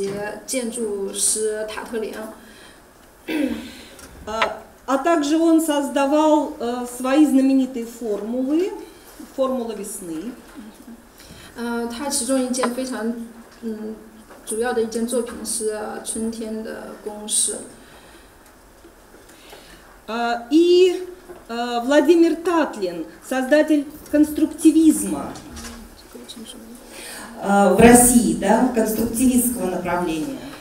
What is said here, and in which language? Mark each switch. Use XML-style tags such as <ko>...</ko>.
<zh>那那个西方派的这个代表人物当中还有帕维尔·费洛洛夫以及建筑师塔特林。</zh> <ru>А также он создавал свои знаменитые формулы, формулы весны.</ru> <zh>他其中一件非常主要的一件作品是春天的公式。</zh> <ru>И Владимир Татлин, создатель конструктивизма в России, да, конструктивистского направления.</ru>